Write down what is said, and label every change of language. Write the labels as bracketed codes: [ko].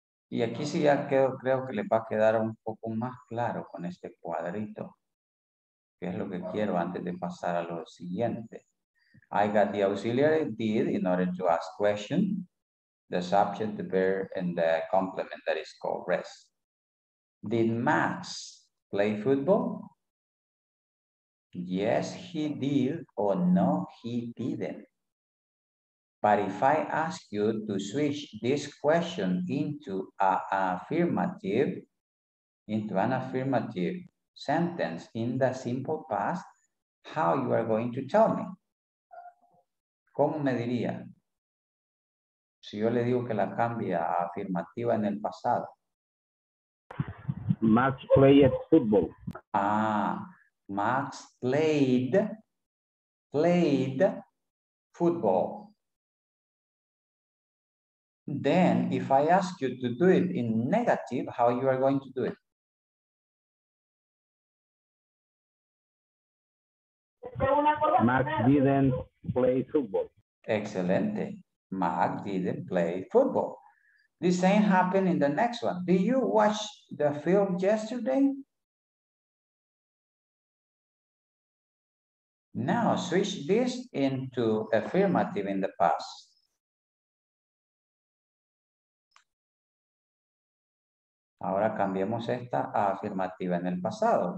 [es] Y aquí sí ya quedo, creo que les va a quedar un poco más claro con este cuadrito. ¿Qué es lo que quiero antes de pasar a lo siguiente? [en] I got the auxiliary did in order to ask question. The subject, the verb, and the complement that is called rest. Did Max play football? Yes, he did, or no, he didn't. But if I ask you to switch this question into an affirmative, into an affirmative sentence in the simple past, how you are going to tell me? [es] ¿Cómo me diría? Si yo le digo que la cambia a afirmativa en el pasado. [en] Max played football. Ah, Max played football. Then, if I ask you to do it in negative, how you are going to do it? Max didn't play football. Excelente. Max didn't play football. The same happened in the next one. Did you watch the film yesterday? Now switch this into affirmative in the past. [es] Ahora cambiemos esta a afirmativa en el pasado.